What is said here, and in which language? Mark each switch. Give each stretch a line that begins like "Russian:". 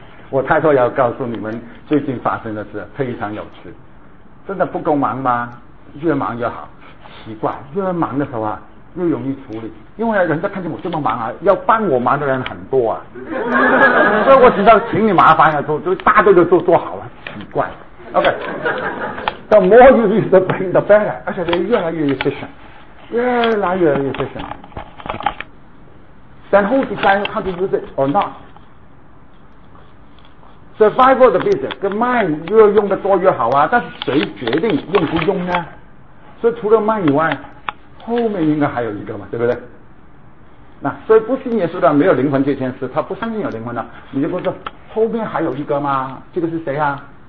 Chinese: 我太多要告诉你们最近发生的事，非常有趣。真的不够忙吗？越忙越好。奇怪，越忙的时候啊越容易处理，因为人家看见我这么忙啊，要帮我忙的人很多啊。所以我只要请你麻烦了，就大队都做好了。奇怪。
English: OK, the more you use the brain, the better.
Chinese: 而且越来越 efficient, 越来越 efficient.
English: Then who decides how to use it or not? Survival of the business, the mind
Chinese: 越用得多越好啊，但是谁决定用不用呢？所以除了 mind 以外，后面应该还有一个嘛，对不对？那所以不信耶稣的没有灵魂这件事，他不相信有灵魂的，你就说后面还有一个吗？这个是谁啊？